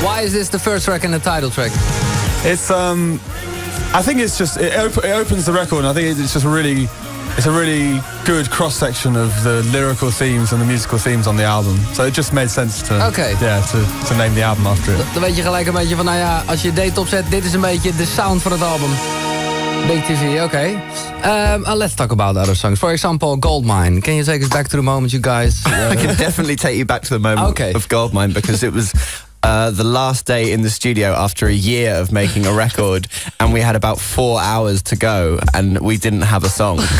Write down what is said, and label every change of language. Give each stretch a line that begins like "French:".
English: this the first track and the title track? It's I think it's just it opens the record, and I think it's just really it's a really good cross section of the lyrical themes and the musical themes on the album. So it just made sense to to name the album after it.
Dutch: Dan weet je gelijk een beetje van nou ja, als je date opzet, dit is een beetje de sound van het album.
English: BTV, okay. Let's talk about other songs. For example, Goldmine. Can you take us back to the moment, you guys? I can definitely take you back to the moment of Goldmine, because it was the last day in the studio after a year of making a record, and we had about 4 hours to go, and we didn't have a song.